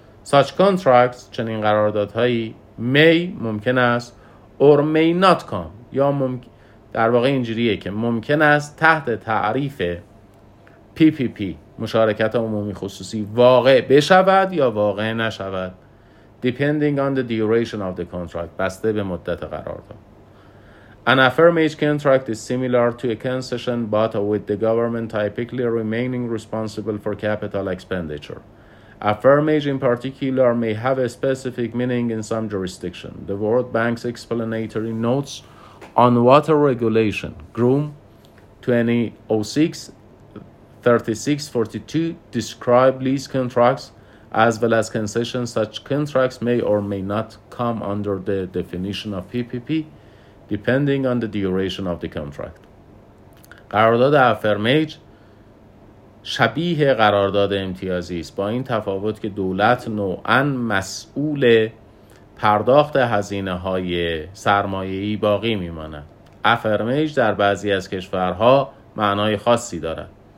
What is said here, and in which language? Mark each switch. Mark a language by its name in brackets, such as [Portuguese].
[English] Such contracts [Persian] چنین قراردادهایی [English] may [Persian] ممکن است [English] or may not come [Persian] یا در واقع اینجوریه که ممکن است تحت تعریف PPP مشارکت عمومی خصوصی واقع بشود یا واقع نشود [English] depending on the duration of the contract [Persian] بسته به مدت قرارداد. [English] An affirmative contract is similar to a concession but with the government typically remaining responsible for capital expenditure. Affirmage in particular may have a specific meaning in some jurisdiction. The World Bank's explanatory notes on water regulation, GRUM 2006-3642, describe lease contracts as well as concessions. Such contracts may or may not come under the definition of PPP, depending on the duration of the contract. [Persian] قرارداد affirmage شبیه قرارداد امتیازی است با این تفاوت که دولت نوعاً مسئول پرداخت هزینه های سرمایه‌ای باقی می‌ماند. افرمیج در بعضی از کشورها معنای خاصی دارد.